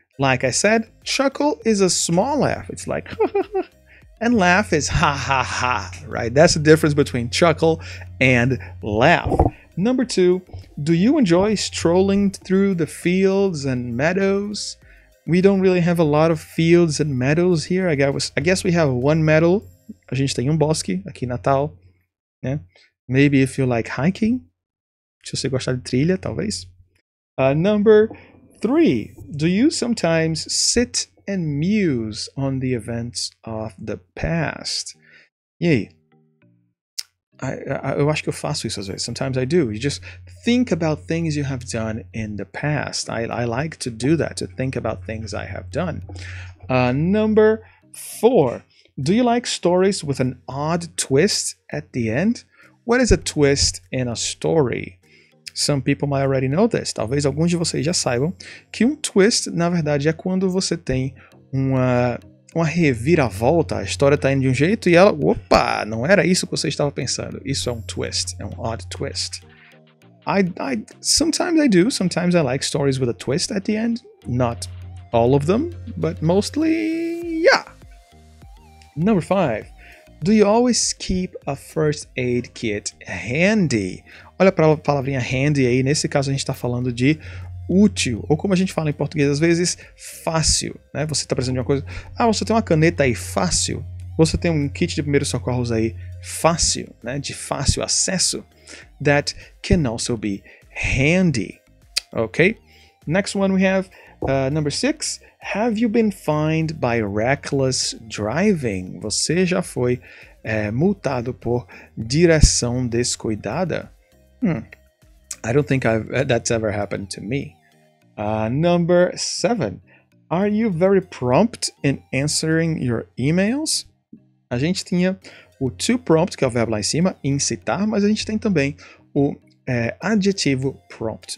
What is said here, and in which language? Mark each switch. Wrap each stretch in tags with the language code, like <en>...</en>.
<en>Like I said, chuckle is a small laugh. It's like and laugh is ha ha ha, right? That's the difference between chuckle and laugh. Number two, do you enjoy strolling through the fields and meadows? We don't really have a lot of fields and meadows here. I guess we have one meadow.</en> <pt>A gente tem bosque aqui em Natal, né?</pt> <en>Maybe if you like hiking.</en> <pt>Se você gostar de trilha, talvez.</pt> <en>Number three, do you sometimes sit and muse on the events of the past?</en> <pt>E aí? Eu acho que eu faço isso às vezes.</pt> <en>Sometimes I do. You just think about things you have done in the past. I like to do that, to think about things I have done. Number four, do you like stories with an odd twist at the end? What is a twist in a story? Some people might already know this.</en> <pt>Talvez alguns de vocês já saibam que twist, na verdade, é quando você tem uma reviravolta. A história está indo de jeito e ela... Opa! Não era isso que você estava pensando. Isso é twist. É</pt> <en>odd twist. Sometimes I do. Sometimes I like stories with a twist at the end. Not all of them, but mostly, yeah. Number five. Do you always keep a first aid kit handy?</en> <pt>Olha para a palavrinha handy aí. Nesse caso, a gente está falando de útil. Ou como a gente fala em português, às vezes, fácil. Né? Você está precisando de uma coisa. Ah, você tem uma caneta aí fácil? Você tem kit de primeiros socorros aí fácil, né? De fácil acesso?</pt> <en>That can also be handy. Okay? Next one we have. Number 6, have you been fined by reckless driving?</en> <pt>Você já foi multado por direção descuidada?</pt> <en>I don't think that's ever happened to me. Number 7, are you very prompt in answering your emails?</en> <pt>A gente tinha o to prompt, que é o verbo lá em cima, incitar, mas a gente tem também o adjetivo prompt.</pt>